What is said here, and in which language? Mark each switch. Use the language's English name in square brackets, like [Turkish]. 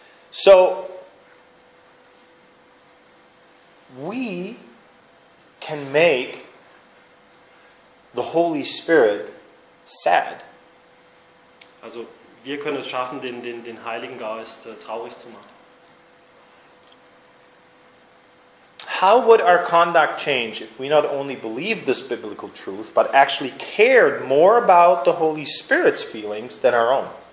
[English] So, we can make the Holy Spirit sad. [German] Also, wir können es schaffen, den Heiligen Geist traurig zu machen. [English] How would our conduct change if we not only believed this biblical truth, but actually cared more about the Holy Spirit's feelings than our own?